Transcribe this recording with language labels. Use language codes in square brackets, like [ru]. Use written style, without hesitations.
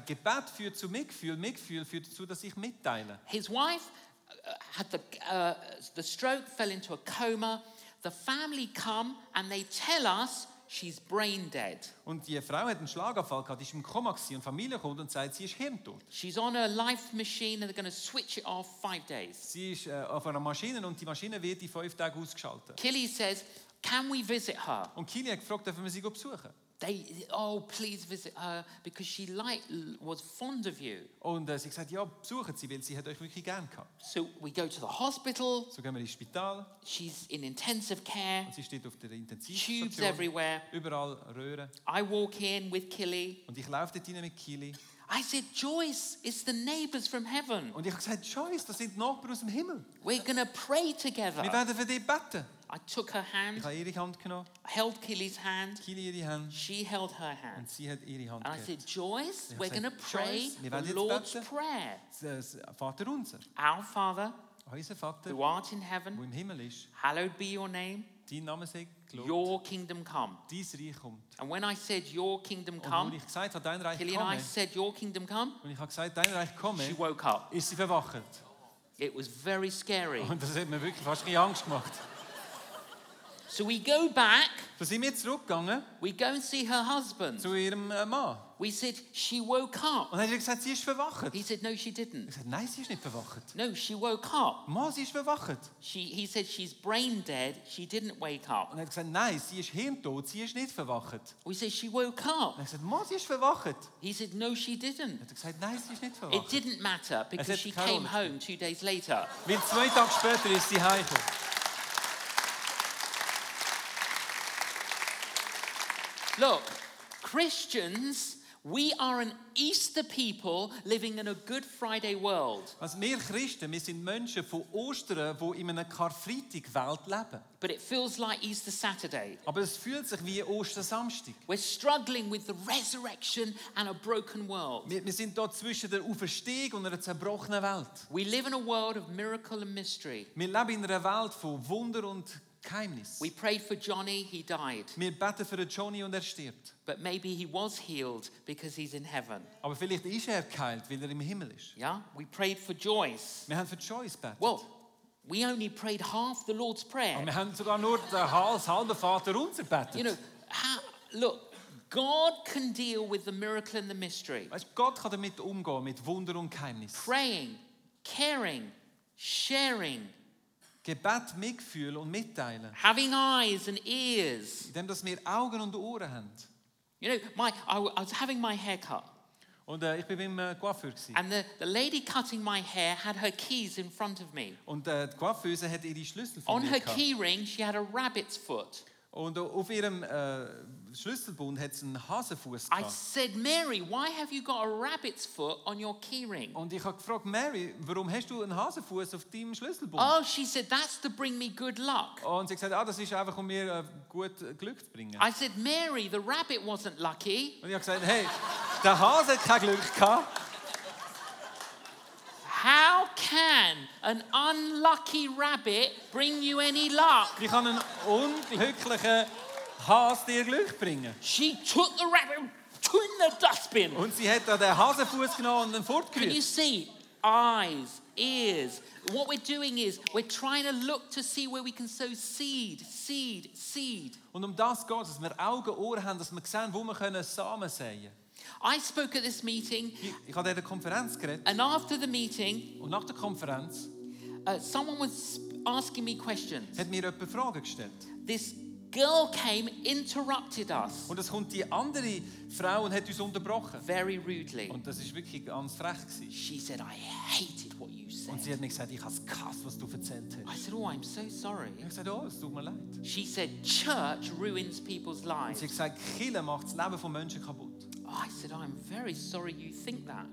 [de] Gebet führt zu Mitgefühl, Mitgefühl führt dazu, dass ich mitteile. [en] His wife had the stroke, fell into a coma. The family come and they tell us she's brain dead. [de] Und die Frau hat einen Schlaganfall gehabt, ist im Koma gewesen. Und Familie kommt und sagt, sie ist hirntot. [en] She's on a life machine and they're going to switch it off 5 days. [de] Sie ist auf einer Maschine und die Maschine wird in 5 Tagen ausgeschaltet. [en] Killy says, can we visit her? [de] Und Killy hat gefragt, dürfen wir sie besuchen? [en] They, oh, please visit her because she was fond of you. [de] Und sie gesagt, ja, besuchen sie, weil sie hat euch wirklich gern gehabt. [en] So we go to the hospital. [de] So gehen wir ins Spital. [en] She's in intensive care. [de] Und sie steht auf der Intensivstation. [en] Tubes everywhere. [de] Überall Röhren. [en] I walk in with Killy. [de] Und ich laufe dort rein mit Killy. [en] I said, Joyce, it's the neighbors from heaven. [de] Und ich habe gesagt, Joyce, das sind die Nachbarn aus dem Himmel. [en] We're going to pray together. [de] Wir werden für dich beten. [en] I took her hand. [de] Ich habe ihre Hand genommen. [en] Held Killy's hand. [de] Killy ihre Hand. [en] She held her hand. [de] Und sie hat ihre Hand. [en] And I said, Joyce, we're going to pray the Lord's prayer. [de] Vater unser. [en] Our Father. [de] Unser Vater. [en] Who art in heaven. [de] Wo im Himmel ist. [en] Hallowed be your name. [de] Dein Name sei gelobt. [en] Your kingdom come. [de] Dies Reich kommt. [en] And when I said your kingdom come. [de] Und ich gesagt habe, dein Reich [en] komme. Killy and I said your kingdom come. [de] Und ich habe gesagt, dein Reich komme. [en] She woke up. [de] Ist sie verwacht. [en] It was very scary. [de] Und das hat mir wirklich fast Angst gemacht. [en] So we go back. [de] So sind wir zurückgegangen. [en] We go and see her husband. [de] Zu ihrem Mann. [en] We said she woke up. [de] Und er hat gesagt, sie ist verwacht. [en] He said no, she didn't. [de] Ich sagte, nein, sie ist nicht verwacht. [en] No, she woke up. [de] Mann, sie ist verwacht. [en] He said she's brain dead. She didn't wake up. [de] Und er hat gesagt, nein, sie ist hirntot. Sie ist nicht verwacht. [en] We said she woke up. [de] Und er sagte, Mann, sie ist verwacht. [en] He said no, she didn't. [de] Er hat gesagt, nein, sie ist nicht verwacht. [en] It didn't matter because she came home 2 days later. [de] Weil 2 Tage später ist sie heil. [en] Look, Christians, We are an Easter people living in a Good Friday world. [de] Also wir Christen, wir sind Menschen von Ostern, wo in einer Karfreitag-Welt leben. [en] But it feels like Easter Saturday. [de] Aber es fühlt sich wie Ostersamstag. [en] We're struggling with the resurrection and a broken world. [de] Wir sind dort zwischen der Auferstehung und einer zerbrochenen Welt. [en] We live in a world of miracle and mystery. [de] Wir leben in einer Welt von Wunder und Geheimnis. [en] We prayed for Johnny, he died. [de] Wir beten für Johnny und er stirbt. [en] But maybe he was healed because he's in heaven. [de] Aber vielleicht ist er geheilt, weil er im Himmel ist. [en] Yeah? We prayed for Joyce. [de] Wir haben für Joyce betet. [en] Well, we only prayed half the Lord's Prayer. [de] Und wir haben sogar nur das halbe Vater unser betet. [en] You know, look, God can deal with the miracle and the mystery. [de] Weißt, Gott kann damit umgehen, mit Wunder und Geheimnis. [en] Praying, caring, sharing. [de] Gebet, Mitgefühl und Mitteilen. [en] Having eyes and ears. [de] Indem, dass wir Augen und Ohren haben. [en] You know, I was having my hair cut. [de] Und ich bin beim Coiffeur gsi. [en] And the lady cutting my hair had her keys in front of me. [de] Und die Coiffeuse hat ihre Schlüssel von [en] On [de] mir [en] her [de] gehabt. [en] Key ring, she had a rabbit's foot. [de] Und auf ihrem Schlüsselbund hat sie einen Hasenfuß gehabt. [en] I said, Mary, why have you got a rabbit's foot on your key ring? [de] Und ich habe gefragt, Mary, warum hast du einen Hasenfuß auf deinem Schlüsselbund? [en] Oh, she said, that's to bring me good luck. [de] Und sie gesagt, ah, das ist einfach, um mir gut Glück zu bringen. [en] I said, Mary, the rabbit wasn't lucky. [de] Und ich habe gesagt, hey, der Hase hat kein Glück gehabt. [en] How can an unlucky rabbit bring you any luck? [de] Wie kann ein unglücklicher Hase dir Glück bringen? [en] She took the rabbit in the dustbin. [de] Und sie hat da den Hasenfuß genommen und dann fortgerührt. [en] Can you see? Eyes, ears. What we're doing is, we're trying to look to see where we can sow seed, seed, seed. [de] Und um das geht es, dass wir Augen, Ohren haben, dass wir sehen, wo wir können Samen säen können. [en] I spoke at this meeting. [de] Ich hatte eine Konferenz geredet. [en] And after the meeting, [de] und nach der Konferenz, [en] someone was asking me questions. [de] Hat mir jemand Fragen gestellt. [en] This girl came, interrupted us. [de] Und es kommt die andere Frau und hat uns unterbrochen. [en] Very rudely. [de] Und das ist wirklich ganz frech gewesen. [en] She said, I hated what you said. [de] Und sie hat mir gesagt, ich habe es gehasst, was du erzählt hast. [en] I said, oh, I'm so sorry. [de] Ich habe gesagt, oh, es tut mir leid. [en] She said, church ruins people's lives. [de] Und sie hat gesagt, Kirche macht das Leben von Menschen kaputt. [en] I said, I'm very sorry you think that.